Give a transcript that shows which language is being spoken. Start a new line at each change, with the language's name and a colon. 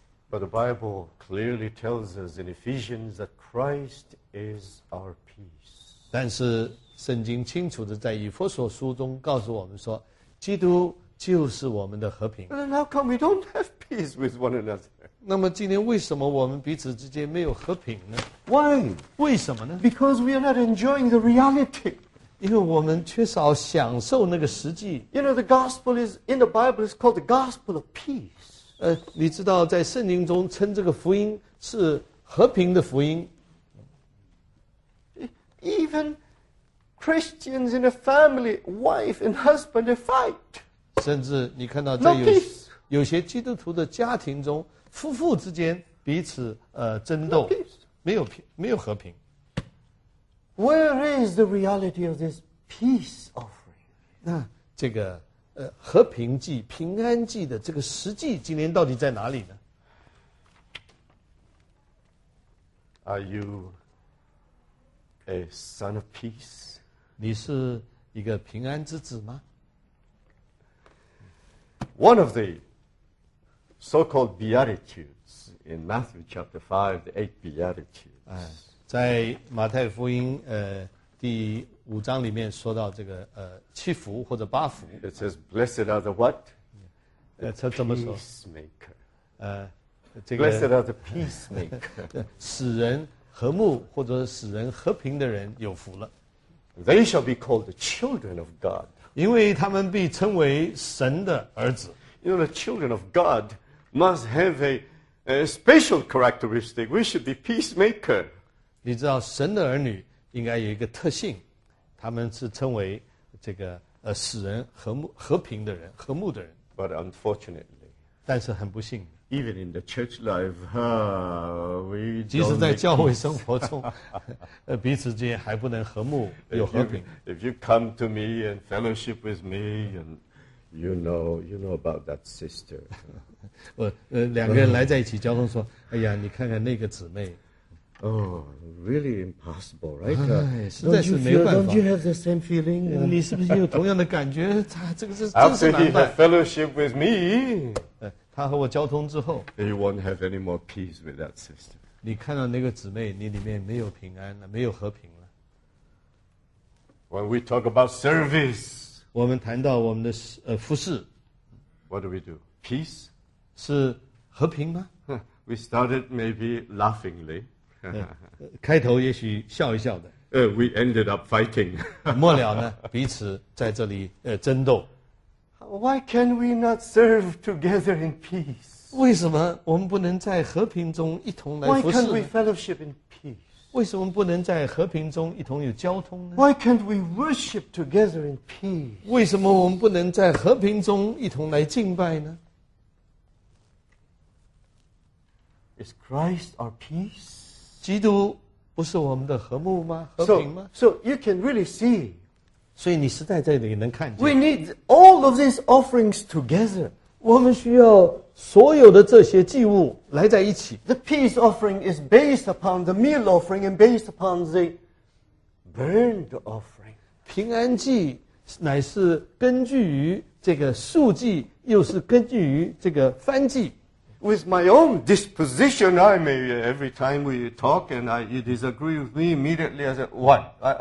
English: But the Bible clearly tells us in Ephesians that Christ is our peace.
Chinese: 但是圣经清楚地在以弗所书中告诉我们说，基督就是我们的和平。
English: Then how come we don't have peace with one another?
Chinese: 那么今天为什么我们彼此之间没有和平呢？
English: Why?
Chinese: 为什么呢？
English: Because we are not enjoying the reality.
Chinese: 因为我们缺少享受那个实际。
English: You know, the gospel is, in the Bible, is called the gospel of peace.
Chinese: 你知道在圣经中称这个福音是和平的福音。
English: Even Christians in a family, wife and husband, they fight.
Chinese: 甚至你看到在 有些基督徒的家庭中，夫妇之间彼此争斗，没有和平。
English: Where is the reality of this peace offering?
Chinese: 那这个和平祭、平安祭的这个实际今天到底在哪里呢？
English: Are you a son of peace?
Chinese: 你是一个平安之子吗？
English: One of the so-called Beatitudes in Matthew chapter 5, the eight Beatitudes.
Chinese: 在马太福音第五章里面说到这个七福或者八福。
English: It says, blessed are the what? The peacemaker. Blessed are the peacemaker.
Chinese: 使人和睦或者使人和平的人有福了。
English: They shall be called the children of God.
Chinese: 因为他们被称为神的儿子。
English: You know, the children of God must have a special characteristic. We should be peacemaker.
Chinese: 你知道神的儿女应该有一个特性，他们是称为这个使人和睦和平的人，和睦的人。
English: But unfortunately,
Chinese: 但是很不幸
English: ，even in the church life, we
Chinese: 即使在教会生活中，彼此之间还不能和睦有和平。
English: If you come to me and fellowship with me and You know about that sister.
Chinese: 两个人来在一起，交通说：“哎呀，你看看那个姊妹。”
English: Oh, really impossible, right?
Chinese: 实在是没办法。
English: Don't you have the same feeling?
Chinese: 你是不是有同样的感觉？他这个是真是难办。
English: After he had fellowship with me,
Chinese: 他和我交通之后
English: ，he won't have any more peace with that sister.
Chinese: 你看到那个姊妹，你里面没有平安了，没有和平了。
English: When we talk about service.
Chinese: 我们谈到我们的服事
English: ，What do we do? Peace?
Chinese: 是和平吗
English: ？We started maybe laughingly.
Chinese: 开头也许笑一笑的。
English: We ended up fighting.
Chinese: 末了呢，彼此在这里争斗。
English: Why can we not serve together in peace?
Chinese: 为什么我们不能在和平中一同来服事
English: ？Why can't we fellowship in peace?
Chinese: 为什么不能在和平中一同有交通呢
English: ？Why can't we worship together in peace?
Chinese: 为什么我们不能在和平中一同来敬拜呢
English: ？Is Christ our peace?
Chinese: 基督不是我们的和睦吗？和平吗
English: ？So you can really see.
Chinese: 所以你实在这里能看见。
English: We need all of these offerings together.
Chinese: 我们需要所有的这些祭物来在一起。
English: The peace offering is based upon the meal offering and based upon the burned offering.
Chinese: 平安祭乃是根据于这个素祭，又是根据于这个燔祭。
English: With my own disposition, I may every time we talk and you disagree with me immediately, I say, "What?